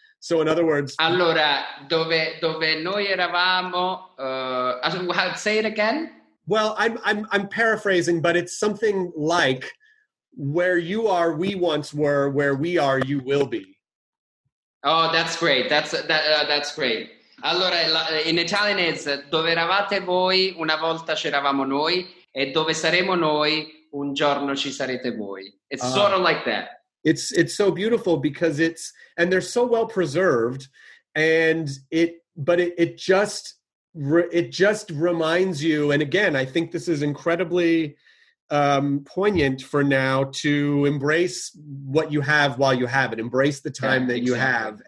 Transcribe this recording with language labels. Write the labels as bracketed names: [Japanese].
[English] So in other words... [Italian] Allora, dove noi eravamo... [English] say it again? Well, I'm paraphrasing, but it's something like, where you are, we once were, where we are, you will be. Oh, that's great. That's great. [Italian] Allora, [English] in Italian is, [Italian] dove eravate voi, una volta c'eravamo noi, e dove saremo noi, un giorno ci sarete voi. [English] It's sort of like that. It's so beautiful because it's, and they're so well preserved, and it just reminds you. And again, I think this is incredibly poignant for now, to embrace what you have while you have it, embrace the time you have.